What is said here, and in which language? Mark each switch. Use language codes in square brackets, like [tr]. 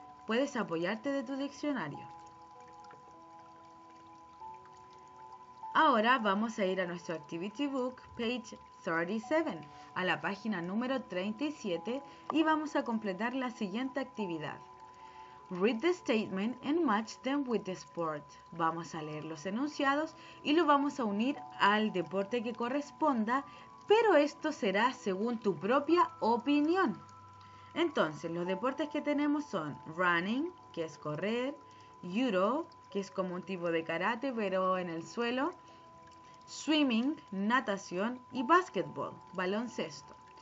[es] Puedes apoyarte de tu diccionario. Ahora vamos a ir a nuestro [en] activity book, page 37, [es] a la página número 37, y vamos a completar la siguiente actividad. [en] Read the statement and match them with the sport. [es] Vamos a leer los enunciados y lo vamos a unir al deporte que corresponda, pero esto será según tu propia opinión. Entonces, los deportes que tenemos son running, que es correr, judo, que es como un tipo de karate, pero en el suelo, swimming, natación y basketball, baloncesto.